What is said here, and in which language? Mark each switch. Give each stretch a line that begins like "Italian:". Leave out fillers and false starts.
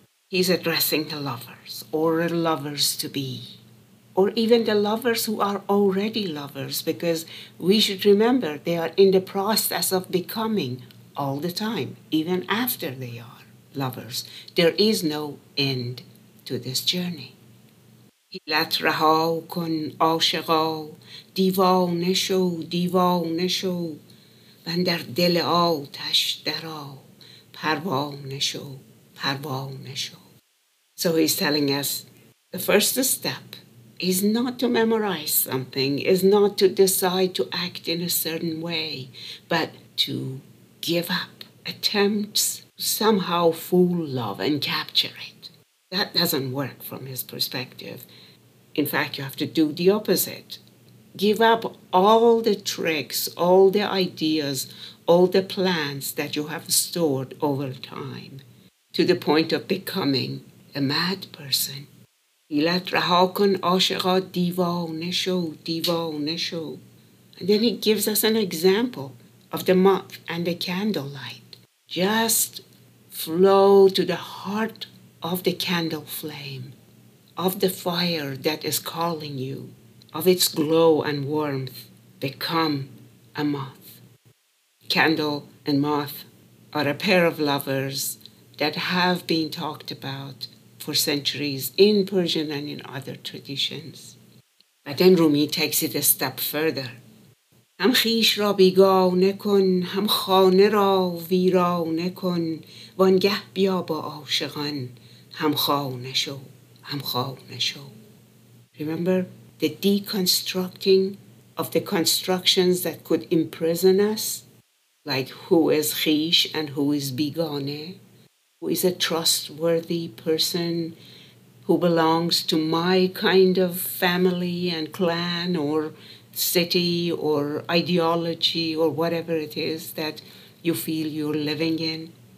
English: He's addressing the lovers, or the lovers-to-be, or even the lovers who are already lovers, because we should remember they are in the process of becoming all the time, even after they are lovers. There is no end to this journey.
Persian: هیلت رها کن عاشقا دیوانه شو دیوانه شو من در دل آتش درا پروانه شو پروانه شو.
English: So he's telling us the first step is not to memorize something, is not to decide to act in a certain way, but to give up attempts to somehow fool love and capture it. That doesn't work from his perspective. In fact, you have to do the opposite. Give up all the tricks, all the ideas, all the plans that you have stored over time to the point of becoming a mad person.
Persian: هیلت رها کن عاشقا دیوانه شو دیوانه شو.
English: And then he gives us an example of the moth and the candlelight. Just flow to the heart of the candle flame, of the fire that is calling you, of its glow and warmth, become a moth. Candle and moth are a pair of lovers that have been talked about for centuries in Persian and in other traditions. But then Rumi takes it a step further.
Persian: هم خیش را بیگانه کن هم خانه را ویرانه کن وانگه بیا با عاشقان هم خانه شو هم خانه شو.
English: Remember the deconstructing of the constructions that could imprison us, like who is خیش and who is بیگانه, who is a trustworthy person who belongs to my kind of family and clan or city or ideology or whatever it is that you feel you're living in.